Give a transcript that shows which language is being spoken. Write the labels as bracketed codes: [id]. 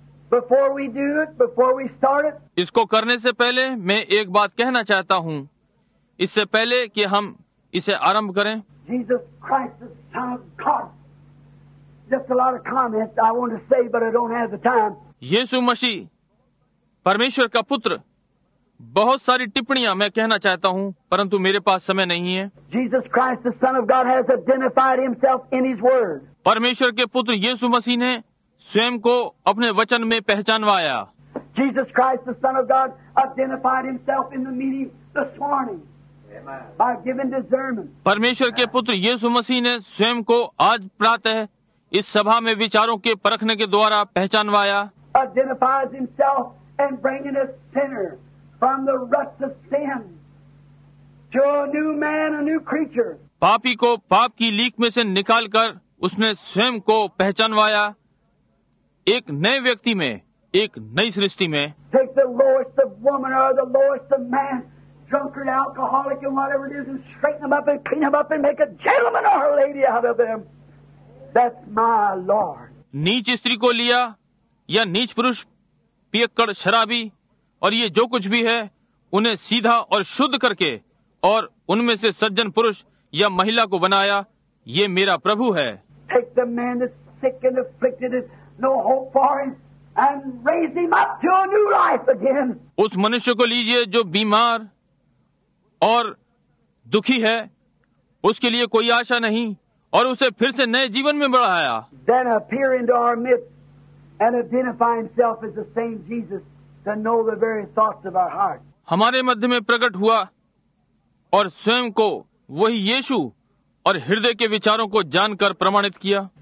[en] Before we do it, before we start it, [hi] इसको करने से पहले मैं एक बात कहना चाहता हूँ, इससे पहले कि हम इसे आरंभ करें. [en] Jesus Christ is Son of God. Just a lot of comments I want to say, but I don't have the time. [hi] यीशु मसीह परमेश्वर का पुत्र. बहुत सारी टिप्पणियां मैं कहना चाहता हूं, परंतु मेरे पास समय नहीं है. [en] Jesus Christ, the Son of God, has identified himself in his word. [hi] परमेश्वर के पुत्र यीशु मसीह ने स्वयं को अपने वचन में पहचानवाया. [en] Jesus Christ, the Son of God, identified himself in the meeting this morning. By giving discernment. [hi] परमेश्वर के पुत्र यीशु मसीह ने स्वयं को आज प्रातः इस सभा में विचारों के परखने के द्वारा पहचानवाया. [en] Identifies himself and bringing a sinner. From the ruts of sin to a new man, a new creature. [hi] पापी को पाप की लीक में से निकालकर उसने स्वयं को पहचानवाया एक नए व्यक्ति में, एक नई सृष्टि में. [en] Take the lowest of woman or the lowest of man, drunkard, alcoholic, and whatever it is, and straighten them up and clean them up and make a gentleman or a lady out of them. That's my Lord. [hi] नीच स्त्री को लिया या नीच पुरुष, पियक्कड़, शराबी और ये जो कुछ भी है, उन्हें सीधा और शुद्ध करके और उनमें से सज्जन पुरुष या महिला को बनाया, ये मेरा प्रभु है. [en] Take the man that's sick and afflicted and no hope for him and raise him up to a new life again. [hi] उस मनुष्य को लीजिए जो बीमार और दुखी है, उसके लिए कोई आशा नहीं और उसे फिर से नए जीवन में बढ़ाया. [en] Then appear into our midst and identify himself as the same Jesus. To know the very thoughts of our heart. [hi] हमारे मध्य में प्रकट हुआ और स्वयं को वही यीशु और हृदय के विचारों को जानकर प्रमाणित किया.